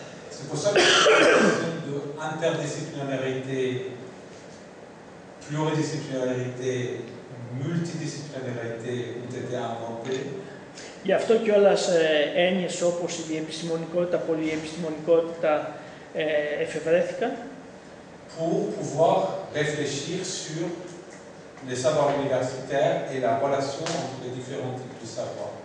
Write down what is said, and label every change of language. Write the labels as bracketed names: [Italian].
[French] C'est pour ça que le système de interdisciplinarité, pluridisciplinarité, multidisciplinarité ont été inventés. [Greek] Γι' αυτό κιόλας έννοιες όπως η διεπιστημονικότητα, πολυεπιστημονικότητα εφευρέθηκαν. [French] Pour pouvoir réfléchir sur les savoirs universitaires et la relation entre les différents types de savoirs.